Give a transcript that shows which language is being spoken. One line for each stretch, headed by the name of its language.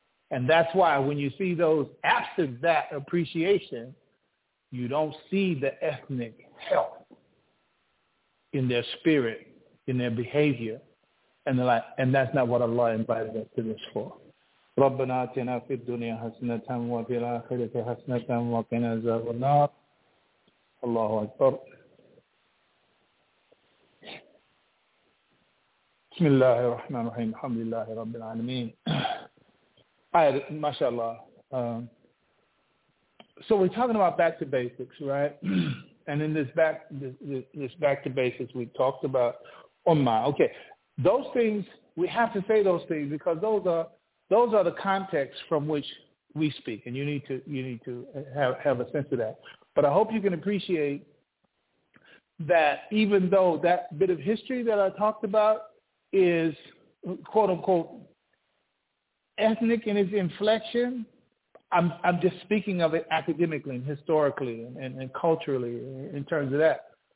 English: And that's why when you see those absent that appreciation, you don't see the ethnic health in their spirit, in their behavior, and the like. And that's not what Allah invited us to this for.
Arabic: ربنا آتنا في الدنيا حسنة وفي الآخرة حسنة وقنا عذاب النار الله أكبر بسم الله الرحمن الرحيم الحمد لله رب العالمين ما شاء الله
English: so we're talking about back to basics, right? And in this back to basics, we talked about Ummah. Okay, those things, we have to say those things because those are the contexts from which we speak, and you need to have a sense of that. But I hope you can appreciate that even though that bit of history that I talked about is, quote-unquote, ethnic in its inflection, I'm just speaking of it academically and historically and culturally in terms of that.